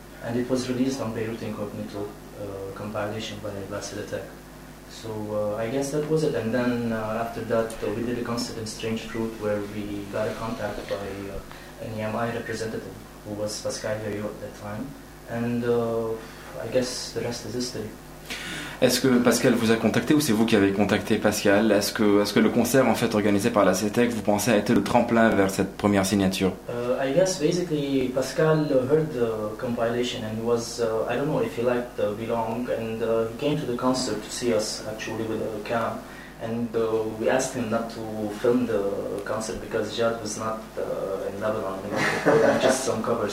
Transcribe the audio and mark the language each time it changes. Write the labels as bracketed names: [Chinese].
[English] And it was released on Beirut Incognito compilation by Vasile Tech. So I guess that was it. And then after that, we did a concert in Strange Fruit where we got a contact by an EMI representative who was Pascal Verio at that time. And I guess the rest is history. [French] Est-ce que Pascal vous a contacté ou c'est vous qui avez contacté Pascal? Est-ce que le concert en fait organisé par la CETEC, vous pensez, a été le tremplin vers cette première signature? [English] I guess basically Pascal heard the compilation and was I don't know if he liked Belong, and he came to the concert to see us actually with a cam, and we asked him not to film the concert because Jad was not in Lebanon, just some covers.